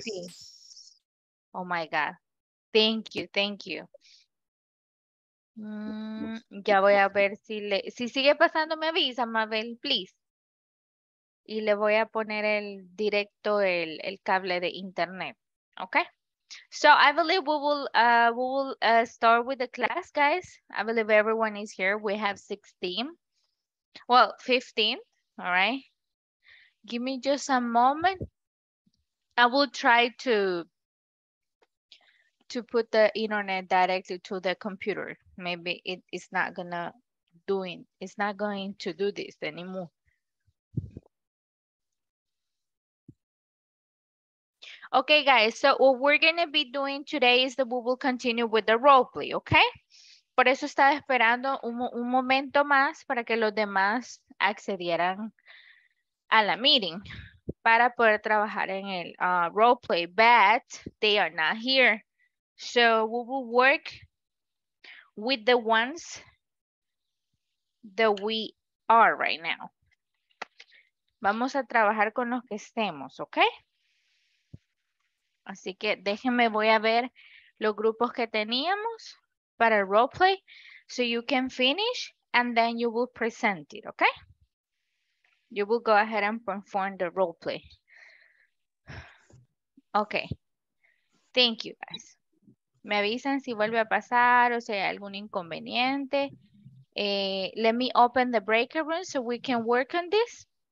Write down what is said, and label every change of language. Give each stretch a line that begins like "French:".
English: Sí. Oh, my God. Thank you.
Spanish: Ya voy a ver si sigue pasando, me avisa, Mabel, please. Y le voy a poner el directo el cable de internet. ¿Ok?
English: So I believe we will start with the class, guys. I believe everyone is here. We have 16. Well, 15, all right. Give me just a moment. I will try to put the internet directly to the computer. Maybe it's not gonna doing, it's not going to do this anymore. Okay, guys, so what we're gonna be doing today is that we will continue with the role play, okay?
Spanish: Por eso estaba esperando un momento más para que los demás accedieran a la meeting para poder trabajar en el role play,
English: but they are not here. So we will work with the ones that we are right now.
Spanish: Vamos a trabajar con los que estemos, okay? Así que déjenme, voy a ver los grupos que teníamos para el role play.
English: So you can finish and then you will present it, okay? You will go ahead and perform the role play. Okay. Thank you, guys.
Spanish: Me avisan si vuelve a pasar o si hay algún inconveniente.
English: Let me open the breakout room so we can work on this.